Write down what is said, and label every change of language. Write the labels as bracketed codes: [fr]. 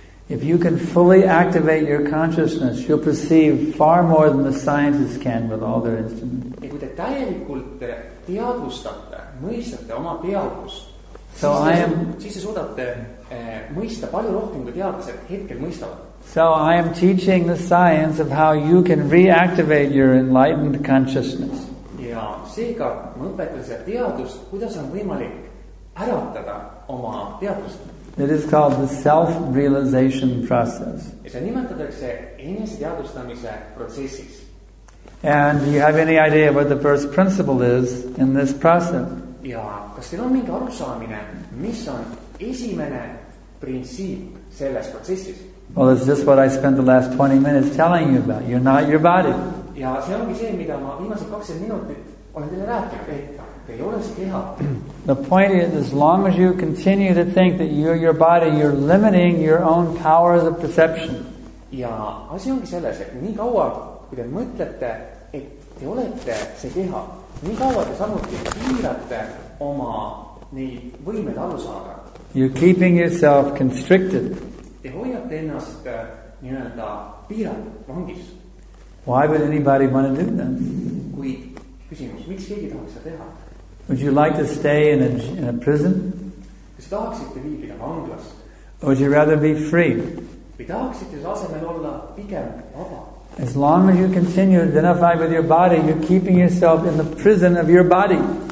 [en] If you can fully activate your consciousness, you'll perceive far more than the scientists can with all their instruments. [et] Ja kui te täielikult teadvustate, mõistate oma teadvust, [en] so [et] siis te suudate mõista palju rohkem kui teadlased hetkel mõistavad. [en] So I am teaching the science of how you can reactivate your enlightened consciousness. [et] Ja seega ma õpetan seda teadust, kuidas on võimalik äratada oma teadust. [en] It is called the self-realization process. [et] Ja see nimetatakse enese teadustamise protsessis. [en] And do you have any idea what the first principle is in this process? [et] Ja kas teil on mingi arusaamine, mis on esimene printsiip selles protsessis? [en] Well, it's just what I spent the last 20 minutes telling you about. You're not your body. [et] Ja see ongi see, mida ma viimased 20 minutit olen teile rääkinud, et te ei ole see keha. [en] The point is, as long as you continue to think that you're your body, you're limiting your own powers of perception. [et] Ja asja ongi selles, et nii kaua, kui te mõtlete, et te olete see keha, nii kaua te samuti piirate oma neid võimed aru saada. [en] You're keeping yourself constricted. [et] Te hoiat ennast nii-öelda piiratud vangis. [en] Why would anybody want to do that? [et] Kui küsimus, miks keegi tahaks seda teha? [en] Would you like to stay in a prison? [et] Kas tahaksite viibida vanglas? [en] Or would you rather be free? [et] Kui tahaksite asemel olla pigem vaba? [en] As long as you continue to identify with your body, you're keeping yourself in the prison of your body.